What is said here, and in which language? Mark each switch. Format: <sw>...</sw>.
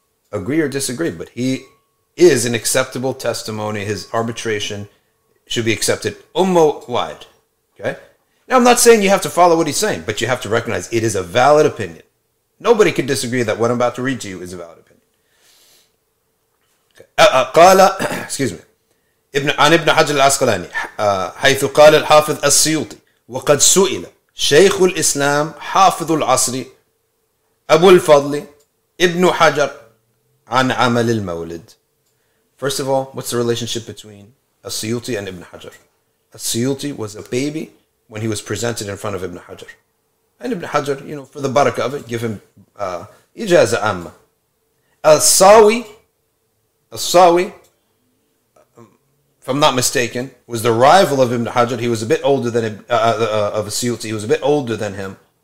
<en>Agree or disagree, but he is an acceptable testimony. His arbitration should be accepted ummah wide. Okay? Now, I'm not saying you have to follow what he's saying, but you have to recognize it is a valid opinion. Nobody could disagree that what I'm about to read to you is a valid opinion. Qala, excuse me.</en> <ar>Ibn Hajar al-Asqalani, حيث قال الحافظ السيوطي وقد سئل شيخ الإسلام حافظ العصر أبو الفضل ابن حجر عن عمل المولد.</ar> <en>First of all, what's the relationship between السيوطي and Ibn Hajar? السيوطي was a baby when he was presented in front of Ibn Hajar. And Ibn Hajar, you know, for the barakah of it, give him ijaza amma. Al-Sawi, if I'm not mistaken, was the rival of Ibn Hajar. He was a bit older than of Asiyuti. He was a bit older than him.</en>